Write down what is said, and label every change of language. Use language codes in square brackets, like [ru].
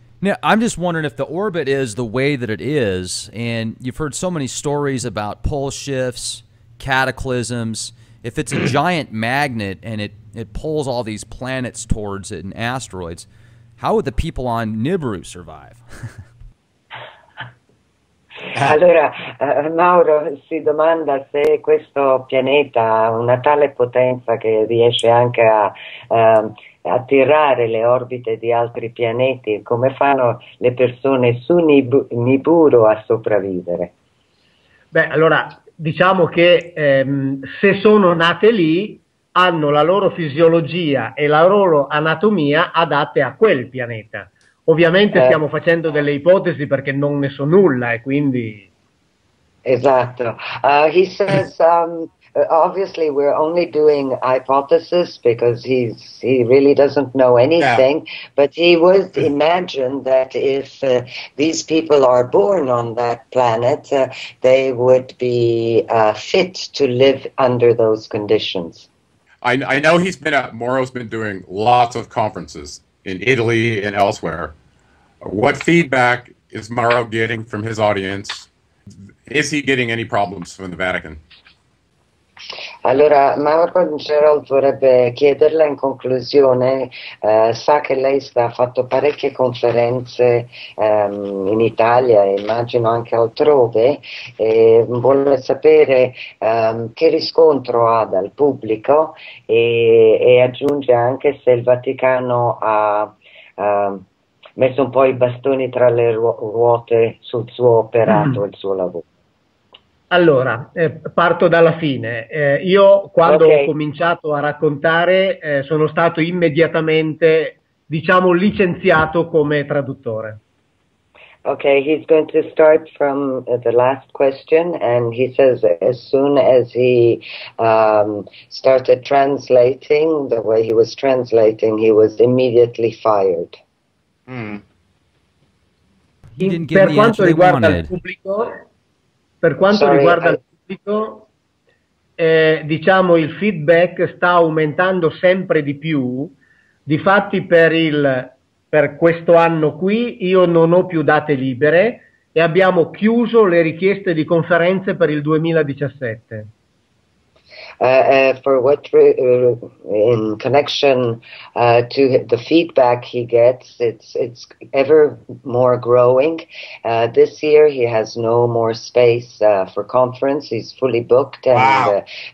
[en] Now, I'm just wondering if the orbit is the way that it is, and you've heard so many stories about pole shifts, cataclysms, if it's a giant magnet and it pulls all these planets towards it and asteroids, how would the people on Nibiru survive? [it] Allora, Mauro si domanda se questo pianeta ha una tale potenza che riesce anche a attirare le orbite di altri pianeti, come fanno le persone su Nibiru a sopravvivere? Beh, allora, diciamo che se sono nate lì, hanno la loro fisiologia e la loro anatomia adatte a quel pianeta. Ovviamente stiamo facendo delle ipotesi perché non ne so nulla e quindi... Esatto. [en] He says, obviously we're only doing hypothesis because he really doesn't know anything, yeah. But he would imagine that if these people are born on that planet, they would be fit to live under those conditions. I know he's been at, Mauro's been doing lots of conferences in Italy and elsewhere. What feedback is Mauro getting from his audience? Is he getting any problems from the Vatican? [it] Allora, Mauro Gerald vorrebbe chiederle in conclusione, sa che lei ha fatto parecchie conferenze in Italia, immagino anche altrove, e vuole sapere che riscontro ha dal pubblico e aggiunge anche se il Vaticano ha messo un po' i bastoni tra le ruote sul suo operato e il suo lavoro. Allora, parto dalla fine. Io quando ho cominciato a raccontare sono stato immediatamente, diciamo, licenziato come traduttore. [en] Okay, he's going to start from the last question and he says as soon as he started translating, the way he was translating, he was immediately fired. [it] Per quanto riguarda il pubblico, diciamo il feedback sta aumentando sempre di più. Difatti per questo anno qui io non ho più date libere e abbiamo chiuso le richieste di conferenze per il 2017. [en] For what in connection to the feedback he gets, it's ever more growing. This year he has no more space for conference. He's fully booked, and wow.